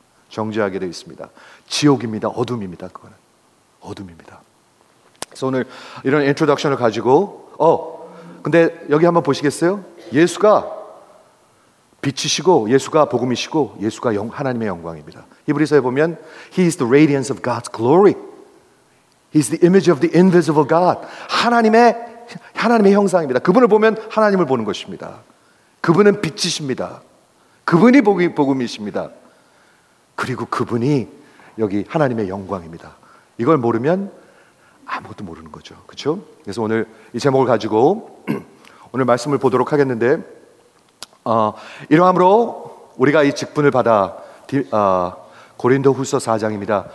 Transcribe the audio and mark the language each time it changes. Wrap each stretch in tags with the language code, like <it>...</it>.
<ko>정죄하게 돼 있습니다. 지옥입니다. 어둠입니다. 그거는 어둠입니다. 그래서 오늘 이런 인트로덕션을 가지고 근데 여기 한번 보시겠어요? 예수가 빛이시고 예수가 복음이시고 예수가 영, 하나님의 영광입니다. 히브리서에 보면</ko> <en>He is the radiance of God's glory. He is the image of the invisible God.</en> <ko>하나님의 형상입니다. 그분을 보면 하나님을 보는 것입니다. 그분은 빛이십니다. 그분이 복음이십니다. 그리고 그분이 여기 하나님의 영광입니다. 이걸 모르면 아무것도 모르는 거죠. 그렇죠? 그래서 오늘 이 제목을 가지고 오늘 말씀을 보도록 하겠는데 이러함으로 우리가 이 직분을 받아 고린도 후서 4장입니다.</ko>